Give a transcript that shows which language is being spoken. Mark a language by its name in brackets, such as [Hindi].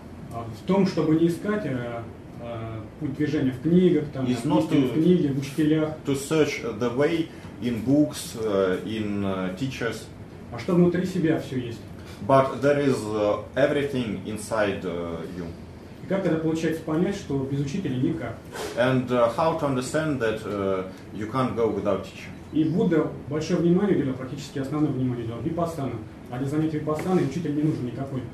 [Russian] В том, чтобы не искать путь движения в книгах, там, [English] is not to, [Russian] в книге, в учителях. [English] To search the way in books, in teachers. [Russian] А что внутри себя все есть? [English] But there is everything inside you. [Russian] И как это получается понять, что без учителя никак? [English] And how to understand that you can't go without teacher? [Russian] И Будда большое внимание уделял, практически основное внимание уделял випассана. А для занятий випассаны учитель не нужен никакой.